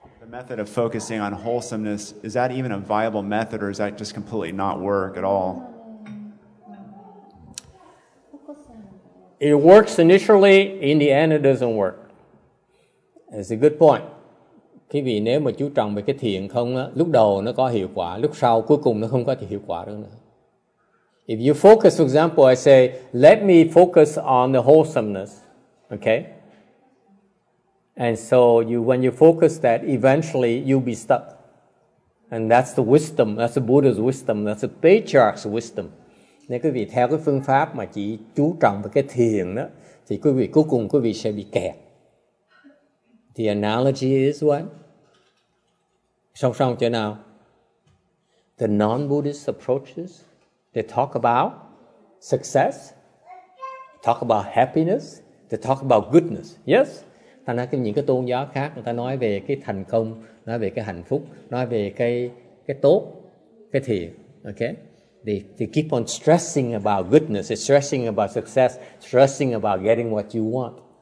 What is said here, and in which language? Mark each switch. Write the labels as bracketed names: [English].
[English] Method of focusing on wholesomeness, is that even a viable method, or is that just completely not work at all? It works initially, in the end it doesn't work. It's a good point. [Vietnamese] Khi vì nếu mà chú trọng về cái thiện không á, lúc đầu nó có hiệu quả, lúc sau cuối cùng nó không có hiệu quả được nữa. [English] If you focus, for example, I say, let me focus on the wholesomeness, okay? And so when you focus that, eventually you'll be stuck. And that's the wisdom, that's the Buddha's wisdom, that's the patriarch's wisdom. [Vietnamese] Nếu quý vị theo cái phương pháp mà chỉ chú trọng vào cái thiền đó, thì quý vị cuối cùng quý vị sẽ bị kẹt. [English] The analogy is what? [Vietnamese] Song song chỗ nào? [English] The non-Buddhist approaches, they talk about success, talk about happiness, they talk about goodness. Yes? [Vietnamese] Ta nói những cái tôn giáo khác, người ta nói về cái thành công, nói về cái hạnh phúc, nói về cái tốt, cái thiện. [English] Okay? They keep on stressing about goodness, they're stressing about success, stressing about getting what you want.